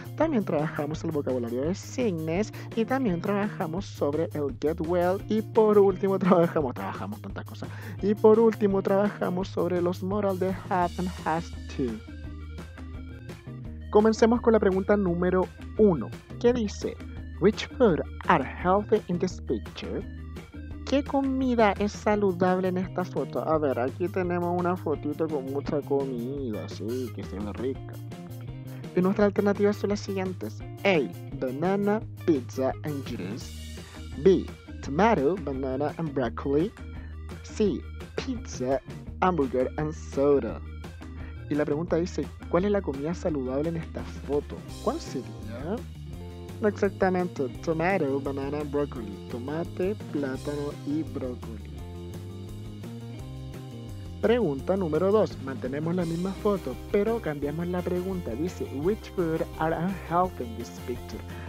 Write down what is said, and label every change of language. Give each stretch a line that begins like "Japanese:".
Spanish: También trabajamos el vocabulario de signos y también trabajamos sobre el get well. Y por último trabajamos tantas cosas. Y por último trabajamos sobre los moral de have and has to. Comencemos con la pregunta número 1. ¿Qué dice?
English: Which food are healthy in this picture?
Spanish: ¿Qué comida es saludable en esta foto? A ver, aquí tenemos una fotito con mucha comida, sí, que se ve rica. Y nuestras alternativas son las siguientes: A.
English: Banana, pizza and juice. B. Tomato, banana and broccoli. C. Pizza, hamburger and soda.
Spanish: Y la pregunta dice, ¿cuál es la comida saludable en esta foto? ¿Cuál sería? Exactamente, tomato, banana, brócoli. Tomate, plátano y brócoli. Pregunta número 2. Mantenemos la misma foto, pero cambiamos la pregunta. Dice,
English: which food are unhealthy in this picture?